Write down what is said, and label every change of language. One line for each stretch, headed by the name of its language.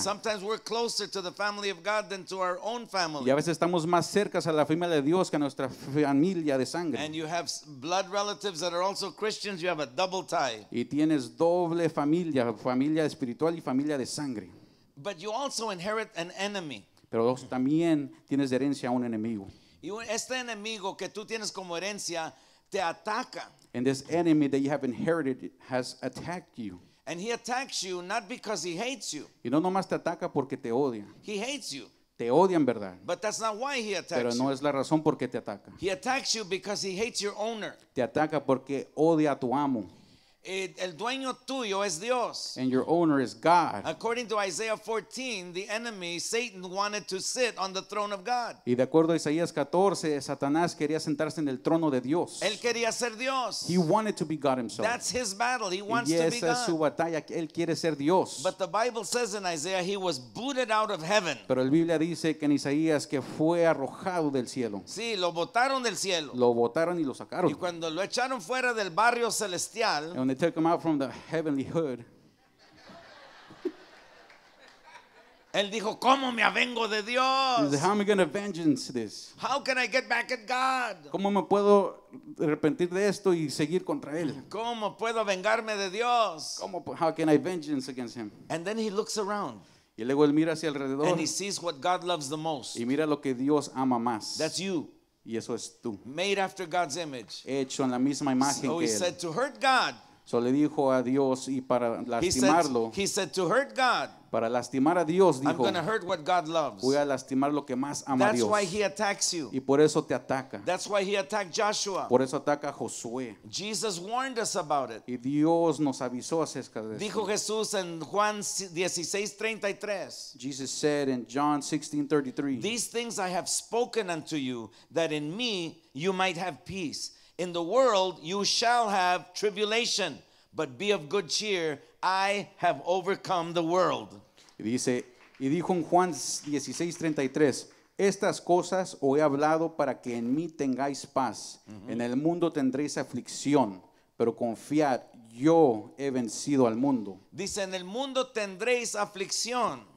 English: Sometimes we're closer to the family of God than to our own family.
Spanish: Y a veces estamos más cerca a la familia de Dios que a nuestra familia de sangre.
English: And you have blood relatives that are also Christians. You have a double tie.
Spanish: Y tienes doble familia, familia espiritual y familia de sangre.
English: But you also inherit an enemy.
Spanish: Pero también tienes de herencia a un enemigo. Y este enemigo que tú tienes como herencia te ataca.
English: And this enemy that you have inherited has attacked you. And he attacks you not because he hates you.
Spanish: Y no nomás te ataca porque te odia.
English: He hates you.
Spanish: Te odia en verdad.
English: But that's not why he attacks
Spanish: you. Pero no es la razón por qué te ataca.
English: He attacks you because he hates your owner.
Spanish: Te ataca porque odia a tu amo. El dueño tuyo es Dios.
English: And your owner is God. According to Isaiah 14, the enemy, Satan, wanted to sit on the throne of God.
Spanish: Y de acuerdo a Isaías 14, Satanás quería sentarse en el trono de Dios. Él quería ser Dios.
English: He wanted to be God himself. That's his battle. He wants to be God.
Spanish: Y esa es su batalla. Él quiere ser Dios.
English: But the Bible says in Isaiah he was booted out of heaven.
Spanish: Pero la Biblia dice que en Isaías que fue arrojado del cielo. Sí, lo botaron del cielo. Lo botaron y lo sacaron. Y cuando lo echaron fuera del barrio celestial.
English: They took him out from the heavenly hood.
Spanish: Él dijo, ¿cómo me avengo de Dios?
English: He said, how am I going to vengeance this? How can I get back at God?
Spanish: ¿Cómo me puedo arrepentir de esto y seguir contra él? ¿Cómo puedo vengarme de Dios? ¿Cómo,
English: how can I vengeance against him? And then he looks around.
Spanish: Y luego él mira hacia alrededor.
English: And he sees what God loves the most.
Spanish: Y mira lo que Dios ama más.
English: That's you.
Spanish: Y eso es tú.
English: Made after God's image.
Spanish: Hecho en la misma imagen
English: so
Spanish: que
English: he
Spanish: él.
English: Said to hurt God.
Spanish: So le dijo a Dios y para lastimarlo.
English: He said to hurt God.
Spanish: Para lastimar a Dios, dijo,
English: I'm going to hurt what God loves.
Spanish: Voy a lastimar lo que más ama
English: That's
Spanish: Dios.
English: Why he attacks you.
Spanish: Y por eso te ataca.
English: That's why he attacked Joshua.
Spanish: Por eso ataca a Josué.
English: Jesus warned us about it.
Spanish: Y Dios nos avisó acerca de esto. Dijo Jesús en Juan 16:33.
English: Jesus said in John 16:33. These things I have spoken unto you, that in me you might have peace. In the world you shall have tribulation, but be of good cheer. I have overcome the world.
Spanish: Dice, y dijo en Juan 16:33, estas cosas os he hablado para que en mí tengáis paz. En el mundo tendréis aflicción, pero confiad, yo he vencido al mundo. Dice, en el mundo tendréis aflicción.